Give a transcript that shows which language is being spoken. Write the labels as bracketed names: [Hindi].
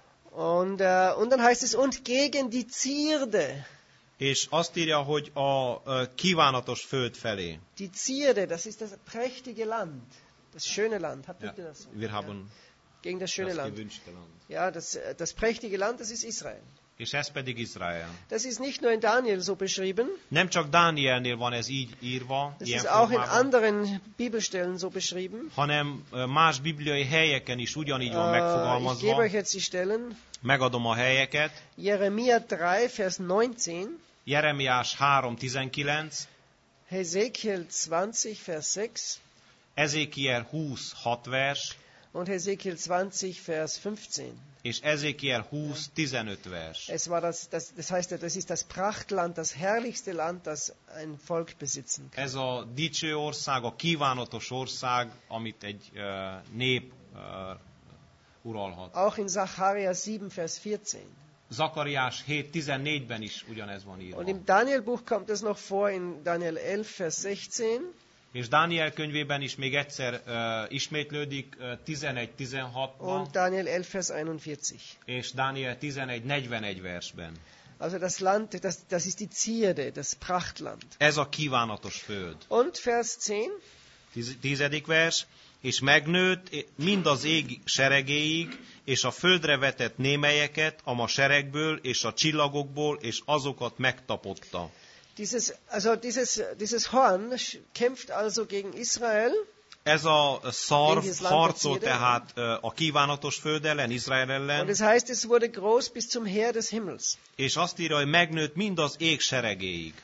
[German] Und dann heißt es, und gegen die Zierde. [Hungarian] És azt írja, hogy a kívánatos föld felé. [German] Die Zierde, das ist das prächtige Land. Das schöne Land. Habt ihr das? Wir haben gegen das schöne Land. Gewünschte Land. Ja, das prächtige Land, das ist Israel. [Hungarian] És ez pedig Izrael. [German] Das ist nicht nur in Daniel so beschrieben. [Hungarian] Nem csak Dánielnél van ez így írva. [German] Das ist auch in anderen Bibelstellen so beschrieben. [Hungarian] Hanem más bibliai helyeken is ugyanígy van megfogalmazva. [German] Ich gebe euch jetzt die Stellen. [Hungarian] Megadom a helyeket. [German] Jeremia 3, Vers 19. [Hungarian] Jeremiás 3:19. [German] Hezekiel 20, Vers 6. [Hungarian] Ezékiel 20, 6 vers. [German] Und Hezekiel 20, Vers 15. [Hungarian] És Ezékiel 20, 15 vers. [German] Es war das heißt, das ist das Prachtland, das herrlichste Land, das ein Volk besitzen kann. [Hungarian] Ez a dicső ország, a kívánatos ország, amit egy nép uralhat. [German] Auch in Zachariah 7, Vers 14. [Hungarian] Zakariás 7:14-ben is ugyanez van írva. [German] Und im Danielbuch kommt es noch vor in Daniel 11, Vers 16. [Hungarian] És Dániel könyvében is még egyszer ismétlődik 11:16-ban. [German] Und Daniel 11, Vers 41. [Hungarian] És Dániel 11:41 versben. [German] Also das Land, das ist die Zierde, das Prachtland. [Hungarian] Ez a kívánatos föld. [German] Und Vers 10. [Hungarian] Tizedik vers. És megnőtt mind az ég seregéig, és a földre vetett némelyeket, a ma seregből, és a csillagokból, és azokat megtapotta. [German] Dieses Horn kämpft also gegen Israel. [Hungarian] Ez a szarv harcol tehát a kívánatos föld ellen, Izrael ellen. [German] Und es heißt, es wurde groß bis zum Heer des Himmels. [Hungarian] És azt írja, hogy megnőtt mind az ég seregéig.